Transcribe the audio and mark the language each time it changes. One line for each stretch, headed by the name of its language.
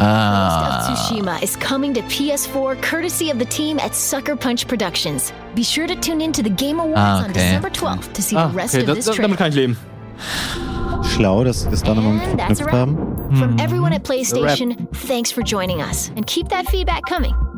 English: of Tsushima is coming to PS4 courtesy of the team at Sucker Punch Productions. Be sure to tune in to the Game Awards on December 12th to see the rest of this trailer.
German: Damit kann ich leben. Schlau, dass sie das da nochmal verknüpft haben.
English: From everyone at PlayStation, thanks for joining us. And keep that feedback coming.